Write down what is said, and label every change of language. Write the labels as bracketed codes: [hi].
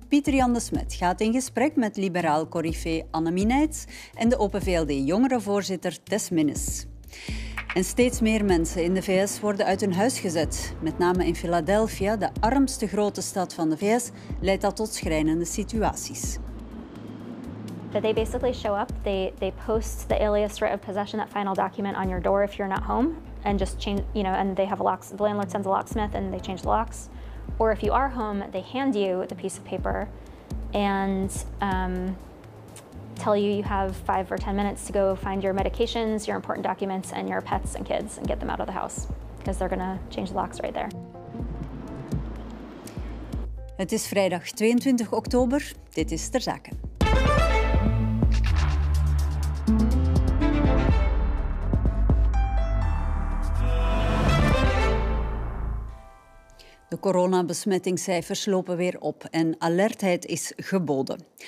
[nl] Pieter-Jan de Smet gaat in gesprek met liberaal corifee Annemie Nijts en de Open VLD jongerenvoorzitter Tess Minnes. En steeds meer mensen in de VS worden uit hun huis gezet. Met name in Philadelphia, de armste grote stad van de VS, leidt dat tot schrijnende situaties. [en] But they basically show up, they post the alias writ of possession, that final document on your door if you're not home, and just change, you know, and they have a lock, the landlord sends a locksmith and they change the locks. Or if you are home, they hand you the piece of paper and tell you you have 5 or 10 minutes to go find your medications, your important documents, and your pets and kids and get them out of the house, because they're gonna change the locks right there. [nl] Het is vrijdag 22 oktober, dit is Ter Zake. De coronabesmettingscijfers lopen weer op en alertheid is geboden.